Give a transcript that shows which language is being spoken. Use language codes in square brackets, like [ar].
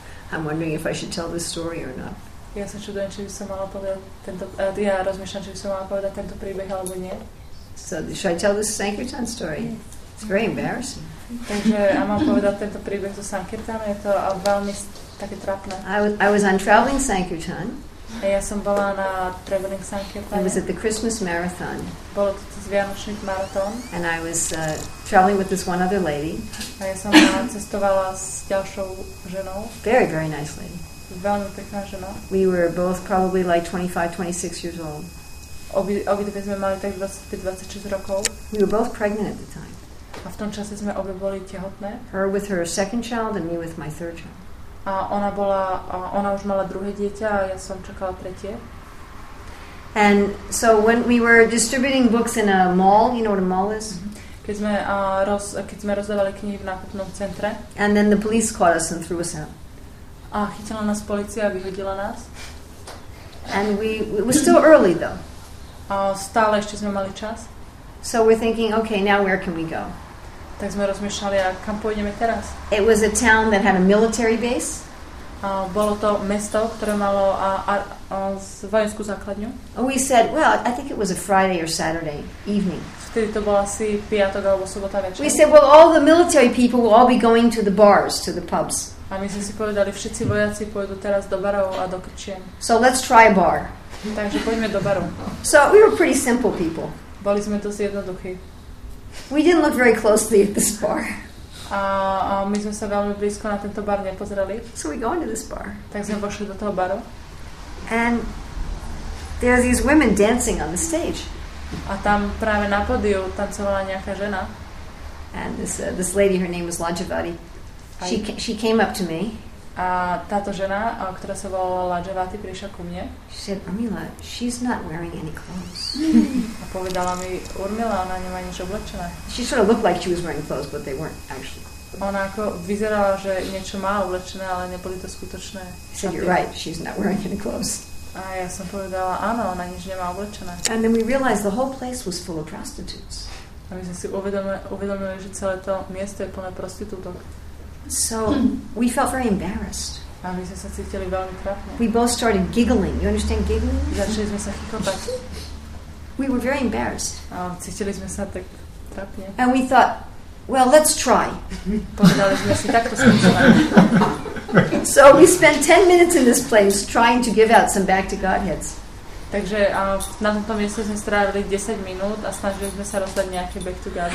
[en] I'm wondering if I should tell this story or not. [sk] Ja sa čudujem, či by som mala povedať tento... Ja rozmýšľam, či by som mala povedať tento príbeh, alebo nie. [en] So, should I tell this Sankirtan story? It's very embarrassing. [sk] Takže ja mám povedať tento príbeh zo Sankirtana, je to veľmi také trapné. [en] I was on traveling Sankirtan. [sk] A ja som bola na traveling Sankirtane. [en] It was at the Christmas marathon. [sk] Bolo to cez vianočný maratón. [en] And I was traveling with this one other lady. [sk] A ja som cestovala s ďalšou ženou. [en] Very, very nice lady. [sk] Veľmi pekná žena. [en] We were both probably like 25, 26 years old. [sk] Obidve sme mali tak 25, 26 rokov. [en] We were both pregnant at the time. [sk] A v tom čase sme obe boli tehotné. [en] Her with her second child and me with my third child. [sk] A ona bola, a ona už mala druhé dieťa a ja som čakala tretie. [en] And so when we were distributing books in a mall, you know what a mall is? [sk] Keď sme rozdávali knihy v nákupnom centre. [en] And then the police caught us and threw us out. [sk] A chytila nás polícia a vyhodila nás. [en] And it was still early though. [sk] Stále ešte sme mali čas. [en] So we're thinking, okay, now where can we go? [sk] Tak sme rozmýšľali, a kam pôjdeme teraz? [en] It was a town that had a military base. [sk] Bolo to mesto, ktoré malo vojenskú základňu. [en] We said, well, I think it was a Friday or Saturday evening. [sk] Vtedy to bolo asi piatok alebo sobota večer. [en] We said, well, all the military people will all be going to the bars, to the pubs. [sk] A my sme si povedali, všetci vojaci pôjdu teraz do barov a do krčiem. [en] So let's try a bar. [sk] Takže poďme do baru. [en] So we were pretty simple people. [sk] Boli sme dosť jednoduchí. [en] We didn't look very closely at this bar. [sk] A my sme sa veľmi blízko na tento bar nepozreli. [en] So we go into this bar. [sk] Tak sme vošli do toho baru. [en] And there are these women dancing on the stage. [sk] A tam práve na pódiu tancovala nejaká žena. [en] And this lady, her name was Lajavati. She came up to me. [sk] A táto žena, ktorá sa volala Lajavati, prišla ku mne. [en] She said, Urmila, she's not wearing any clothes. [sk] A povedala mi, Urmila, ona nemá nič oblečené. [en] She sort of looked like she was wearing clothes, but they weren't actually. [sk] Ona ako vyzerala, že niečo má oblečené, ale neboli to skutočné. [en] She said, you're right, she's not wearing any clothes. [sk] A ja som povedala, áno, ona nič nemá oblečené. [en] And then we realized the whole place was full of prostitutes. [sk] A my sme si uvedomili, že celé to miesto je plné prostitútok. [en] So we felt very embarrassed. [sk] A my sme sa cítili veľmi trápne. [en] We both started giggling. You understand giggling? [sk] Začali sme sa chichotať. [en] We were very embarrassed. [sk] A cítili sme sa tak trápne. [en] And we thought, well, let's try. [sk] Povedali sme si, tak to skúsime. [en] So we spent 10 minutes in this place trying to give out some back to Godheads. [sk] Takže na tomto mieste sme strávili 10 minút a snažili sme sa rozdať nejaké back to God.